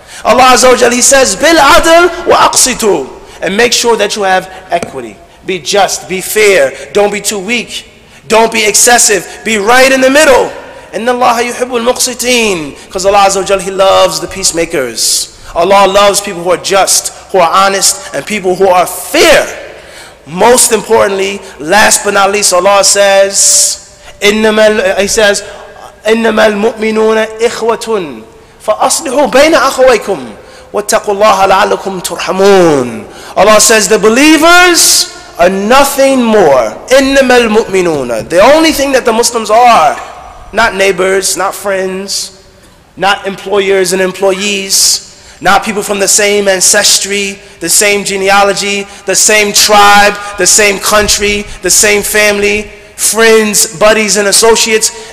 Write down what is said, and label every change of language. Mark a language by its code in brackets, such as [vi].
[en] Allah Azza wa Jal, He says, [ar] "Bil adl wa aqsitu," [en] and make sure that you have equity. Be just, be fair. Don't be too weak. Don't be excessive. Be right in the middle. [ar] Inna Allah yuhibbul muqsitin, [en] because Allah Azza wa Jal, He loves the peacemakers. Allah loves people who are just, who are honest, and people who are fair. Most importantly, last but not least, Allah says, [ar] إِنَّمَا الْمُؤْمِنُونَ إِخْوَةٌ فَأَصْلِحُوا بَيْنَ أَخَوَيْكُمْ وَاتَّقُوا اللَّهَ لَعَلَّكُمْ تُرْحَمُونَ. [en] Allah says, the believers are nothing more. [ar] إِنَّمَا الْمُؤْمِنُونَ. [en] The only thing that the Muslims are, not neighbors, not friends, not employers and employees, not people from the same ancestry, the same genealogy, the same tribe, the same country, the same family, friends, buddies, and associates.